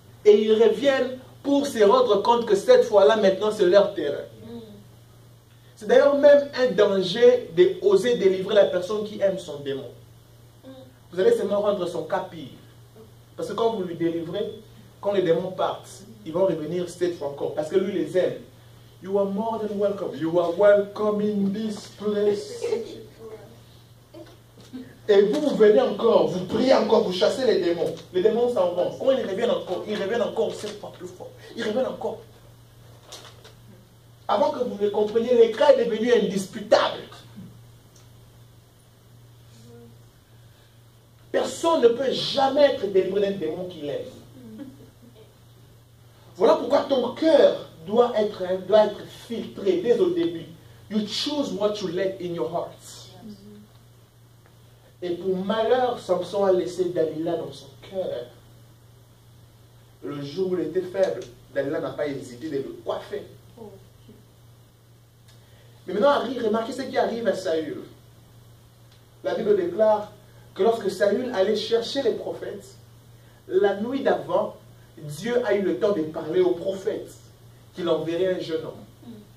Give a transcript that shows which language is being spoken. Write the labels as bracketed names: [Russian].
[French] Et ils reviennent pour se rendre compte que cette fois-là, maintenant, c'est leur terrain. C'est d'ailleurs même un danger d'oser délivrer la personne qui aime son démon. Vous allez seulement rendre son cas pire. Parce que quand vous lui délivrez, quand les démons partent, ils vont revenir cette fois encore. Parce que lui les aime. [English] You are more than welcome. You are welcome in this place. [French] Et vous venez encore, vous priez encore, vous chassez les démons. Les démons s'en vont. Quand ils reviennent encore cette fois plus fort. Ils reviennent encore. Avant que vous ne compreniez, l'écran est devenu indisputable. Personne ne peut jamais être délivré d'un démon qui l'aime. Voilà pourquoi ton cœur doit être filtré dès au début. [English] You choose what you let in your heart. [French] Et pour malheur, Samson a laissé Dalila dans son cœur. Le jour où il était faible, Dalila n'a pas hésité de le coiffer. Mais maintenant, remarquez ce qui arrive à Saül. La Bible déclare que lorsque Saül allait chercher les prophètes, la nuit d'avant, Dieu a eu le temps de parler aux prophètes qu'il enverrait un jeune homme.